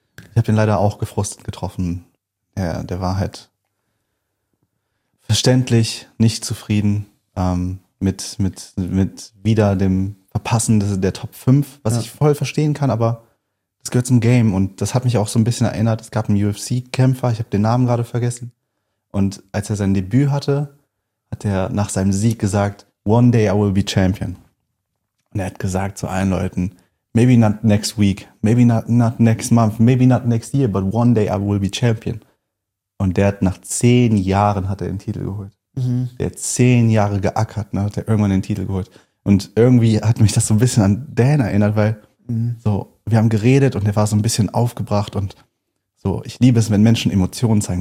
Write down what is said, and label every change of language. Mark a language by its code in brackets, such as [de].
[de] Ich habe ihn leider auch gefrustet getroffen. Ja, der war halt verständlich nicht zufrieden mit wieder dem Verpassen der Top 5, was ja. Ich voll verstehen kann, aber das gehört zum Game. Und das hat mich auch so ein bisschen erinnert. Es gab einen UFC-Kämpfer, ich habe den Namen gerade vergessen. Und als er sein Debüt hatte, hat er nach seinem Sieg gesagt, [en] one day I will be champion. [de] Und er hat gesagt zu allen Leuten, [en] maybe not next week, maybe not next month, maybe not next year, but one day I will be champion. [de] Und der hat nach 10 Jahren hat er den Titel geholt. Mhm. Der hat 10 Jahre geackert, ne, hat er irgendwann den Titel geholt. Und irgendwie hat mich das so ein bisschen an Dan erinnert, weil so, wir haben geredet und er war so ein bisschen aufgebracht und so, ich liebe es, wenn Menschen Emotionen zeigen.